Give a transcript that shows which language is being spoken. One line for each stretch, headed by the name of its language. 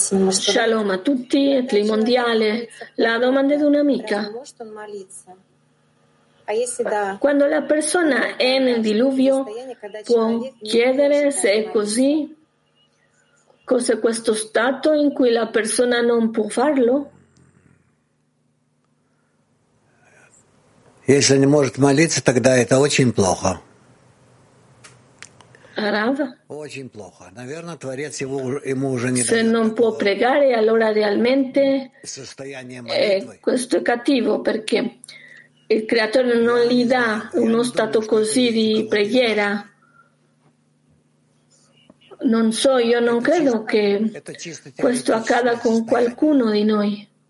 Italian: Shalom a tutti, Etli Mondiale. La domanda di un'amica. Quando la persona è nel diluvio può chiedere se è così, cos'è questo stato in cui la persona non può farlo?
Russian: Если не может молиться, тогда это очень плохо. Rav? Очень плохо. Наверное, Творец его, ему уже не
Italian: se non può pregare, allora realmente questo è cattivo perché il creatore non gli dà uno stato così di preghiera. Non so, io non credo che questo accada con qualcuno di noi.